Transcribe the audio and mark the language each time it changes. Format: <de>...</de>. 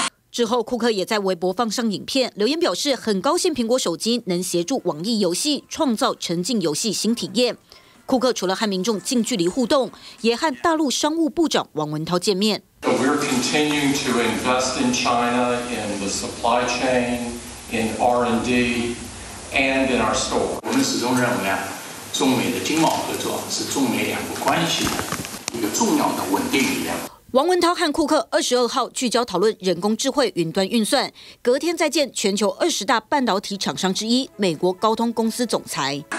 <zh>之后，库克也在微博放上影片，留言表示很高兴苹果手机能协助网易游戏创造沉浸游戏新体验。库克除了和民众近距离互动，也和大陆商务部长王文涛见面。</zh> <en>We're continuing to invest in China, in the supply chain, in R&D, and in our store.</en> <zh>我们始终认为啊，中美的经贸合作是中美两国关系的一个重要的稳定力量。王文涛和库克22号聚焦讨论人工智慧云端运算，隔天再见全球20大半导体厂商之一美国高通公司总裁。</zh>